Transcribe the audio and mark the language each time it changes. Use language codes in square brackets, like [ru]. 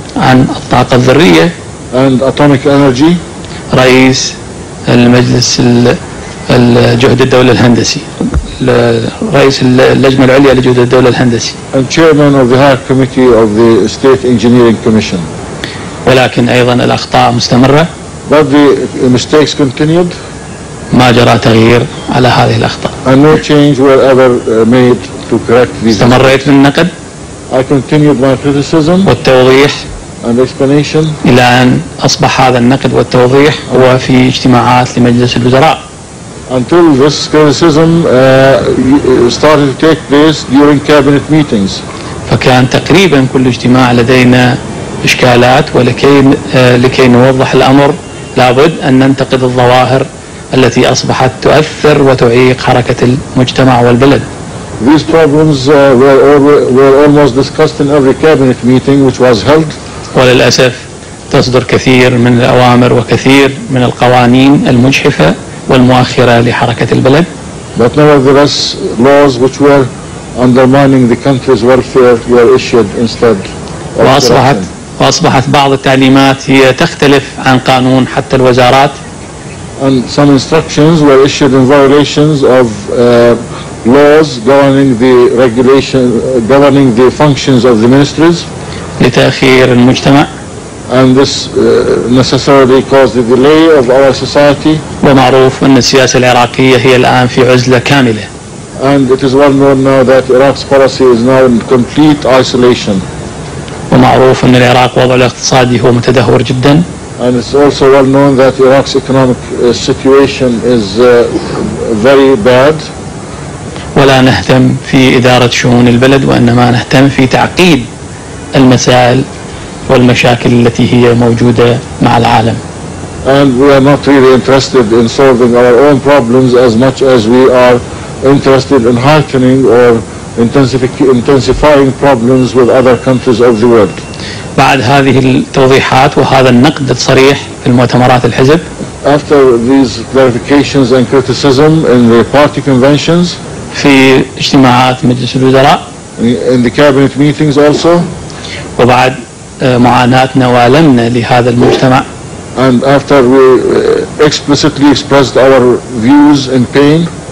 [ar] عن الطاقة الذرية. [en] And atomic energy. [ar] رئيس المجلس الجهد الدولي الهندسي. رئيس اللجنة العليا لجهد الدولة الهندسي. [en] And chairman of the high committee of the state engineering commission. [ar] ولكن أيضا الأخطاء مستمرة. [en] But the mistakes continued. [ar] ما جرى تغيير على هذه الأخطاء. [en] And no change were ever made to correct these. [ar] استمريت بالنقد. [en] I continued my criticism. [ar] والتوضيح. [en] And explanation. [ar] إلى أن أصبح هذا النقد والتوضيح هو في اجتماعات لمجلس الوزراء. [en] Until this criticism started to take place during cabinet meetings. [ar] فكان تقريبا كل اجتماع لدينا إشكالات ولكي نوضح الأمر لابد أن ننتقد الظواهر التي أصبحت تؤثر وتعيق حركة المجتمع والبلد. [en] These problems were almost discussed in every cabinet meeting which was held. [ar] وللأسف تصدر كثير من الأوامر وكثير من القوانين المجحفة والمؤخرة لحركة البلد. [en] But nevertheless, laws which were undermining the country's welfare were issued instead. [ar] وأصبحت بعض التعليمات هي تختلف عن قانون حتى الوزارات. [en] And some instructions were issued in violations of laws governing the regulation governing the functions of the ministries. [ar] لتأخير المجتمع. [en] And this necessarily caused the delay of our society. [ar] ومعروف أن السياسة العراقية هي الآن في عزلة كاملة. [en] And it is well known now that Iraq's policy is now in complete isolation. [ar] ومعروف أن العراق وضع الاقتصادي هو متدهور جدا. [en] And it's also well known that Iraq's economic situation is very bad. [ar] ولا نهتم في إدارة شؤون البلد وإنما نهتم في تعقيد المسائل والمشاكل التي هي موجودة مع العالم. [en] And we are not really interested in solving our own problems as much as we are interested in heightening or intensifying problems with other countries of the world. [ar] بعد هذه التوضيحات وهذا النقد الصريح في المؤتمرات الحزب. [en] After these clarifications and criticism in the party conventions. [ar] في اجتماعات مجلس الوزراء. [en] In the cabinet meetings also. [ar] وبعد معاناتنا وألمنا لهذا المجتمع. [en] And after we explicitly expressed our views in pain.